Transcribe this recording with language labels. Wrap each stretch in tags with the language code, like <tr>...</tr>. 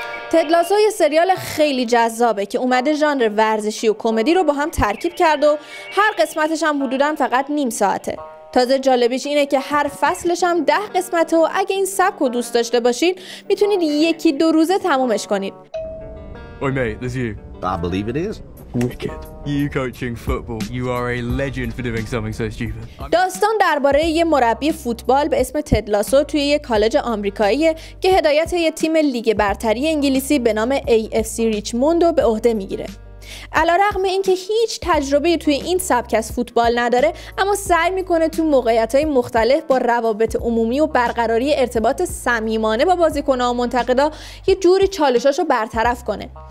<fa>تد لاسو یه سریال خیلی جذابه که اومده ژانر ورزشی و کمدی رو با هم ترکیب کرد و هر قسمتش هم حدوداً فقط نیم ساعته. تازه جالبیش اینه که هر فصلش هم 10 قسمته و اگه این سبک رو دوست داشته باشین میتونید یکی دو روزه تمومش کنید.</fa> <en>Oi mate, this is you. I believe it is. Wicked. You coaching football. You are a legend for doing something so stupid.</en> <fa>داستان درباره یه مربی فوتبال به اسم تد لاسو توی یه کالج آمریکاییه که هدایت یه تیم لیگ برتری انگلیسی به نام AFC ریچموند رو به عهده میگیره. علارغم اینکه هیچ تجربه توی این سبک از فوتبال نداره، اما سعی میکنه توی موقعیت‌های مختلف با روابط عمومی و برقراری ارتباط صمیمانه با بازیکن‌ها و منتقدا یه جوری چالشاشو برطرف کنه.</fa>